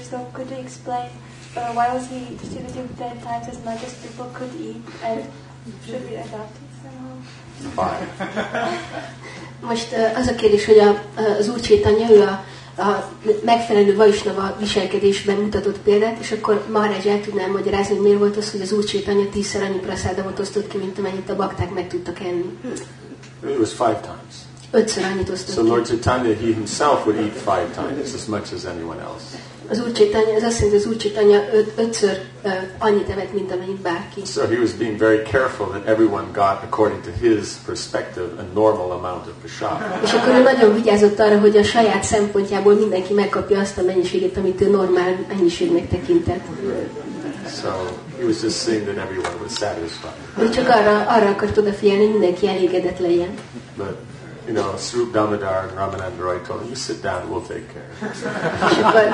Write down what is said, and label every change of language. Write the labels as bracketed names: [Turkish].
[English] So could you explain why was he distributing 10 times as much as people could eat, and should we adopt it somehow? [Hungarian] Most az a kérdés, hogy az Úr Chaitanya a megfelelő Vaishnava viselkedésben mutatott példát, és akkor Maharaj el tudná magyarázni, hogy miért volt az, hogy az Úr Chaitanya 10-szer annyi praszádamot osztott ki, mint amennyit a bakták meg tudtak enni. [English] It was 5 times. [Hungarian] 5-szer annyit osztott ki. [English] So Lord Chaitanya, he himself would eat 5 times, as much as anyone else. [Hungarian] Az Úr Chaitanya, ez azt jelenti, az Úr Chaitanya 5-ször annyit evett, mint amennyit bárki. [English] So he was being very careful that everyone got, according to his perspective, a normal amount of prasad. [Hungarian] És akkor ő nagyon vigyázott arra, hogy a saját szempontjából mindenki megkapja azt a mennyiséget, amit ő normál mennyiségnek tekintett. [English] So he was just seeing that everyone was satisfied. [Hungarian] Ő csak arra akart odafigyelni, hogy mindenki elégedett legyen. [English] You know, Swarup Damodar and Ramananda Roy told him, "You sit down, we'll take care."